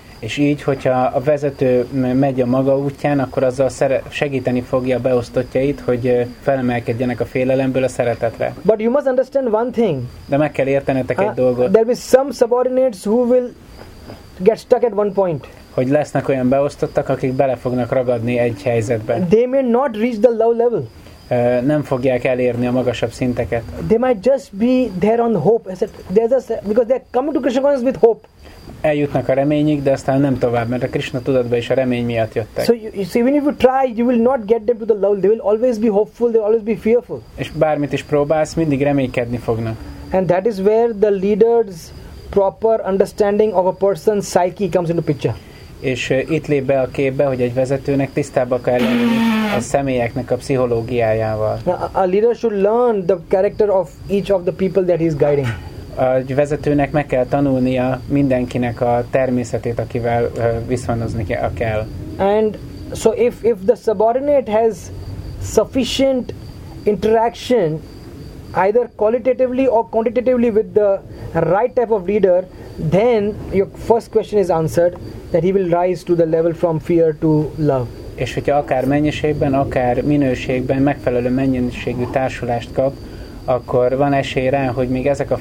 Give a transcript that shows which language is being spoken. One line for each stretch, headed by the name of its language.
Hungarian: És így, hogyha a vezető megy a maga útján, akkor azzal segíteni fogja a beosztottjait, hogy felemelkedjenek a félelemből a szeretetre.
English: But you must understand one thing.
Hungarian: De meg kell értenetek egy dolgot.
English: There will be some subordinates who will get stuck at one point.
Hungarian: Hogy lesznek olyan beosztottak, akik bele fognak ragadni egy helyzetbe.
English: They may not reach the low level.
Hungarian: Nem fogják elérni a magasabb szinteket.
English: They might just be there on hope. I said, they're just, because they're coming to Krishna consciousness with hope.
Hungarian: Eljutnak a reményig, de aztán nem tovább, mert a Krishna tudatba is a remény miatt jöttek.
English: So even if you try, you will not get them to the level. They will always be hopeful, they will always be fearful.
Hungarian: És bármit is próbálsz, mindig reménykedni fognak.
English: And that is where the leader's proper understanding of a person's psyche comes into picture.
Hungarian: És itt lép be a képbe, hogy egy vezetőnek tisztába kell lenni a személyeknek a pszichológiájával.
English: Now, a leader should learn the character of each of the people that he is guiding.
Hungarian: A vezetőnek meg kell tanulnia mindenkinek a természetét, akivel viszonyozni kell.
English: And so if the subordinate has sufficient interaction either qualitatively or quantitatively with the right type of leader, then your first question is answered, that he will rise to the level from fear to love.
Hungarian: És hogyha akár mennyiségben, akár minőségben megfelelő mennyiségű társulást kap, akkor van esély rá, hogy még ezek a